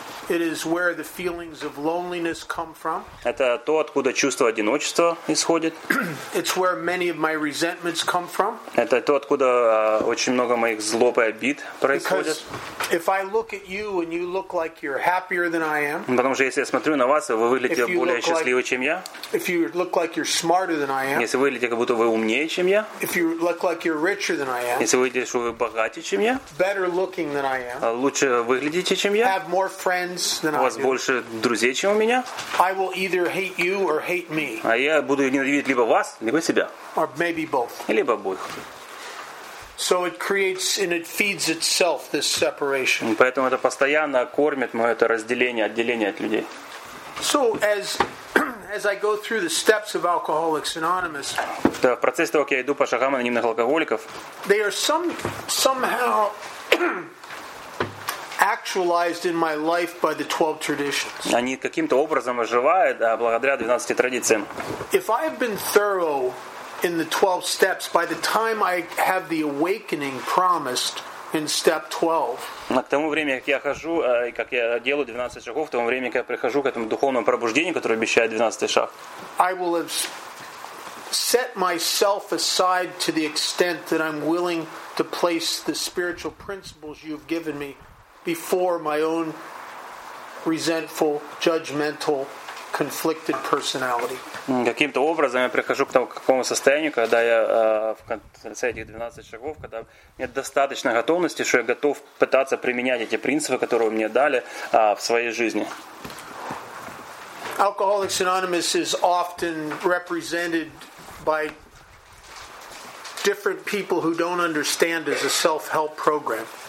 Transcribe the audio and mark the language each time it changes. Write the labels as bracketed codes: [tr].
[en] It is where the feelings of loneliness come from. [ru] Это то, откуда чувство одиночества исходит. [en] It's where many of my resentments come from. [ru] Это то, откуда очень много моих злоб и обид происходит. [en] Because if I look at you and you look like you're happier than I am. [ru] Потому что если я смотрю на вас, вы выглядите более счастливы, чем я. [en] If you look like you're smarter than I am. [ru] Если вы выглядите, как будто вы умнее, чем я. [en] If you look like you're richer than I am. [ru] Если вы выглядите, что вы богаче, чем я. [en] Better looking than I am. [ru] Лучше выглядите, чем я. [en] Have more friends. [ru] У вас больше друзей, чем у меня. [en] I will either hate you or hate me. [ru] А я буду ненавидеть либо вас, либо себя. [en] Or maybe both. [ru] Либо обоих. [en] So it creates and it feeds itself this separation. [ru] Поэтому это постоянно кормит мое это разделение, отделение от людей. [en] So as I go through the steps of Alcoholics Anonymous. [ru] Да, в процессе того, как я иду по шагам анонимных алкоголиков. [en] They are somehow. Actualized in my life by the 12 traditions. [ru] Они каким-то образом оживают благодаря 12 традициям. [en] If I have been thorough in the 12 steps, by the time I have the awakening promised in step 12. [ru] К тому времени, как я хожу и как я делаю 12 шагов, к тому времени, как я прихожу к этому духовному пробуждению, которое обещает 12 шаг. [en] I will have set myself aside to the extent that I'm willing to place the spiritual principles you've given me. Before my own resentful, judgmental, conflicted personality. [ru] Каким-то образом я прихожу к такому состоянию, когда я в конце этих 12 шагов, когда нет достаточно готовности, что я готов пытаться применять эти принципы, которые вы мне дали в своей жизни. [en] Alcoholics Anonymous is often represented by different people who don't understand as a self-help program.